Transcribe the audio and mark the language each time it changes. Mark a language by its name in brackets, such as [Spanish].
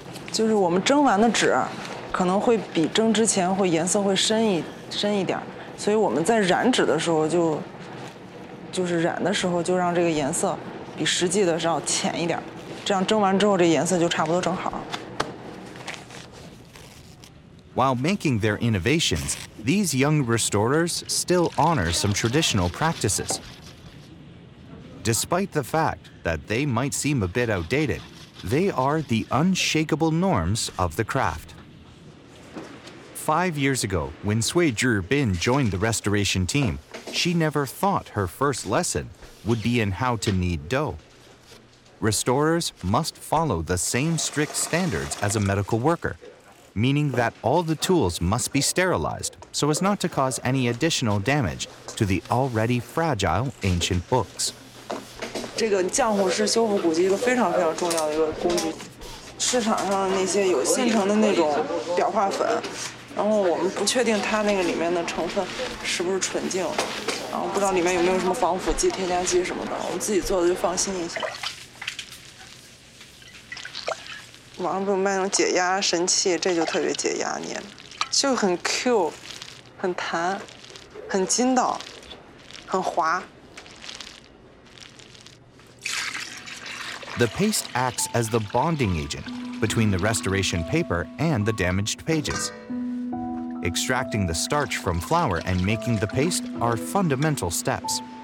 [Chinese] 就是我们蒸完的纸可能会比蒸之前会颜色会深一点，所以我们在染纸的时候就是染的时候就让这个颜色比实际的是要浅一点，这样蒸完之后这颜色就差不多正好。 [English] While making their innovations, these young restorers still honor some traditional practices. Despite the fact that they might seem a bit outdated, they are the unshakable norms of the craft. 5 years ago, when Sui Zhu Bin joined the restoration team, she never thought her first lesson would be in how to knead dough. Restorers must follow the same strict standards as a medical worker, meaning that all the tools must be sterilized so as not to cause any additional damage to the already fragile ancient books. This is a very important tool for restoring the ancient books. The market has a natural paper paste that has been refined. We are not sure if the ingredients in it are pure. We don't know if there are any preservatives or additives. We will make it ourselves. [Chinese] 网上不是卖那种解压神器，这就特别解压，捏就很 Q， 很弹，很筋道，很滑。 [English] The paste acts as the bonding agent between the restoration paper and the damaged pages. Extracting the starch from flour and making the paste are fundamental steps.